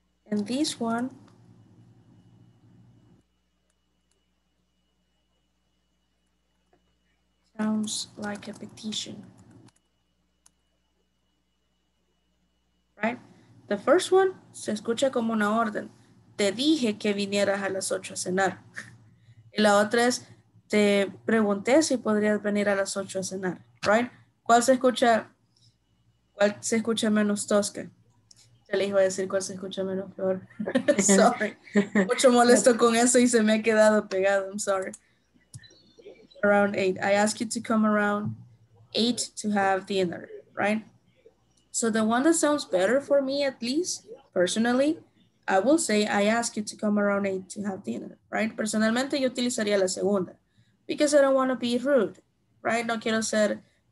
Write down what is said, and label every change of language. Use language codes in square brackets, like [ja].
[en] And this one, sounds like a petition, right? The first one [es] se escucha como una orden. Te dije que vinieras a las 8 a cenar. Y la otra es, te pregunté si podrías venir a las 8 a cenar, right? ¿Cuál se escucha menos tosca? Ya les iba a decir cuál se escucha menos peor. Sorry. Mucho molesto con eso y se me ha quedado pegado. [en] I'm sorry. Around 8. I ask you to come around 8 to have dinner, right? So the one that sounds better for me, at least, personally, I will say I ask you to come around 8 to have dinner, right? [es] Personalmente, yo utilizaría la segunda. [en] Because I don't want to be rude, right? [es] No quiero ser...